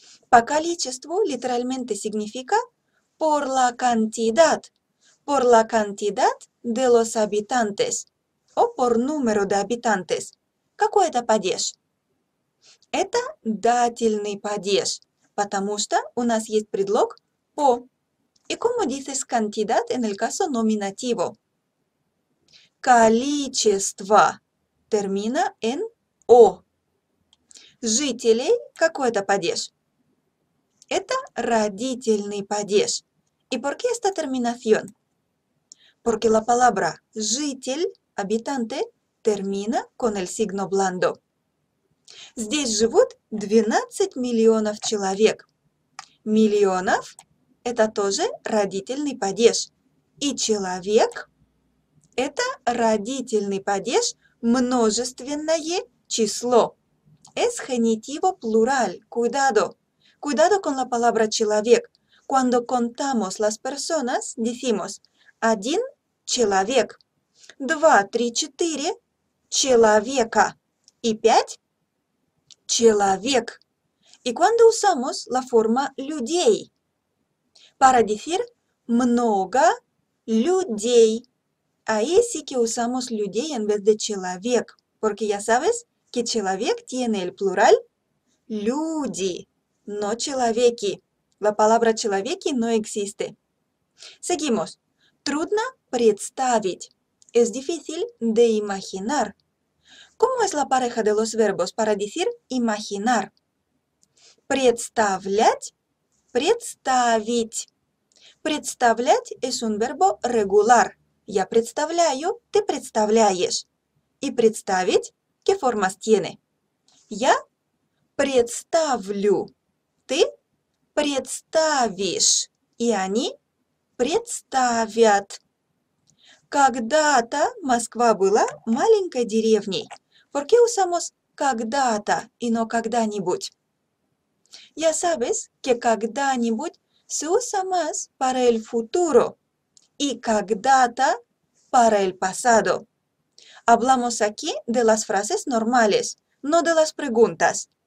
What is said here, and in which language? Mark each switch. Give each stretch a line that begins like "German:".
Russian: По количеству
Spanish: literalmente significa por la cantidad. Por la cantidad de los habitantes. O por número de habitantes.
Russian: Какой это падеж? Это дательный падеж, потому что у нас есть предлог по.
Spanish: И como dices cantidad en el caso nominativo?
Russian: Количество.
Spanish: Termina en o.
Russian: Жителей. Какой это падеж? Это родительный падеж.
Spanish: И por qué esta terminación? Porque la palabra житель, habitante, termina con el signo blando.
Russian: Здесь живут 12 миллионов человек. Миллионов – это тоже родительный падеж. И человек – это родительный падеж, множественное число.
Spanish: Es genitivo plural. Cuidado. Cuidado con la palabra человек. Cuando contamos las personas, decimos
Russian: один человек. Два, три, четыре – человека. И пять – человек.
Spanish: y cuando usamos la forma людей para decir
Russian: много людей.
Spanish: Ahí sí que usamos людей en vez de человек, porque ya sabes que человек tiene el plural люди, no человеки. La palabra человеки no existe. Seguimos.
Russian: Трудно представить.
Spanish: Es difícil de imaginar. ¿Cómo es la pareja de los verbos para decir imaginar?
Russian: Представлять, представить.
Spanish: Представлять es un verbo regular.
Russian: Я представляю, ты представляешь.
Spanish: И представить, ¿qué formas tiene?
Russian: Я представлю, ты представишь, и они представят. Когда-то Москва была маленькой деревней.
Spanish: ¿Por qué usamos когда-то y no когда-нибудь? Ya sabes que когда-нибудь se usa más para el futuro y когда-то para el pasado. Hablamos aquí de las frases normales, no de las preguntas.